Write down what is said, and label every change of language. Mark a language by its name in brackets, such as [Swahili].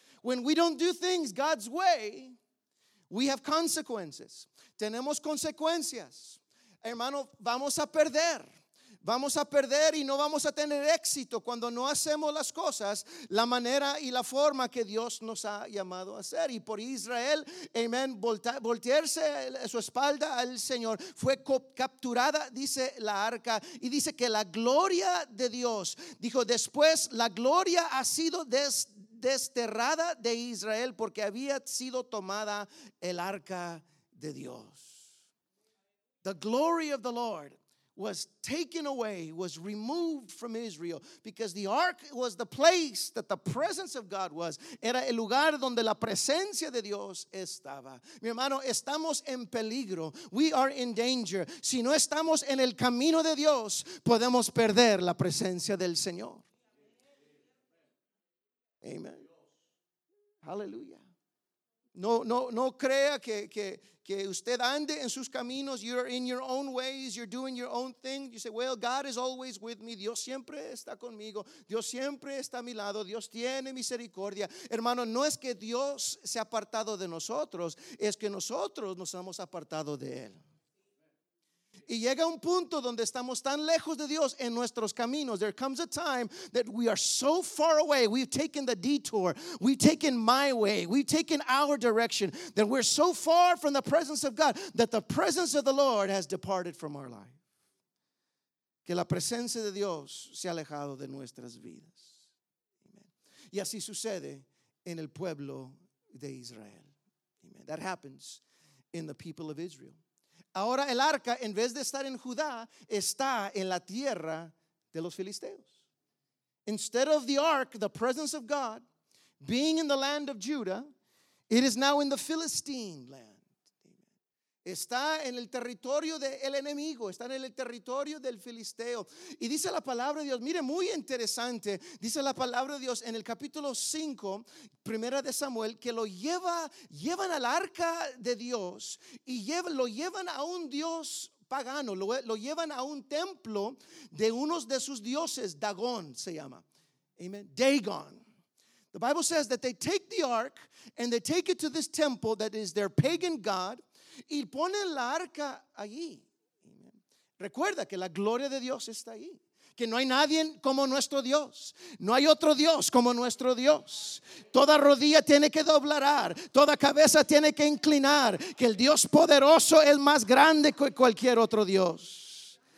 [English] When we don't do things God's way, we have consequences. [Spanish] Tenemos consecuencias. Hermano, vamos a perder. Vamos a perder y no vamos a tener éxito cuando no hacemos las cosas la manera y la forma que Dios nos ha llamado a hacer. Y por Israel, amén, voltearse su espalda al Señor, fue capturada, dice la arca, y dice que la gloria de Dios, dijo después, la gloria ha sido desterrada de Israel porque había sido tomada el arca de Dios. [English] The glory of the Lord was taken away, was removed from Israel, because the ark was the place that the presence of God was. [Spanish] Era el lugar donde la presencia de Dios estaba. Mi hermano, estamos en peligro. [English] We are in danger. [Spanish] Si no estamos en el camino de Dios, podemos perder la presencia del Señor. Amen. Hallelujah. No crea que usted ande en sus caminos. [English] You're in your own ways. You're doing your own thing. You say, well, God is always with me. [Spanish] Dios siempre está conmigo. Dios siempre está a mi lado. Dios tiene misericordia. Hermano, no es que Dios se ha apartado de nosotros. Es que nosotros nos hemos apartado de Él. Y llega un punto donde estamos tan lejos de Dios en nuestros caminos. [English] There comes a time that we are so far away. We've taken the detour. We've taken my way. We've taken our direction. That we're so far from the presence of God that the presence of the Lord has departed from our life. [Spanish] Que la presencia de Dios se ha alejado de nuestras vidas. Amen. Y así sucede en el pueblo de Israel. Amen. [English] That happens in the people of Israel. [Spanish] Ahora el arca, en vez de estar en Judá, está en la tierra de los filisteos. [English] Instead of the ark, the presence of God, being in the land of Judah, it is now in the Philistine land. [Spanish] Está en el territorio del enemigo, está en el territorio del filisteo. Y dice la palabra de Dios, mire, muy interesante, dice la palabra de Dios en el capítulo 5, Primera de Samuel, que lo llevan al arca de Dios y lo llevan a un dios pagano, lo llevan a un templo de uno de sus dioses, Dagón se llama. Amen. Dagon. [English] The Bible says that they take the ark and they take it to this temple that is their pagan god [Spanish] y ponen la arca allí. [English] Amen. [Spanish] Recuerda que la gloria de Dios está ahí. Que no hay nadie como nuestro Dios. No hay otro Dios como nuestro Dios. Toda rodilla tiene que doblar. Toda cabeza tiene que inclinar. Que el Dios poderoso es más grande que cualquier otro Dios.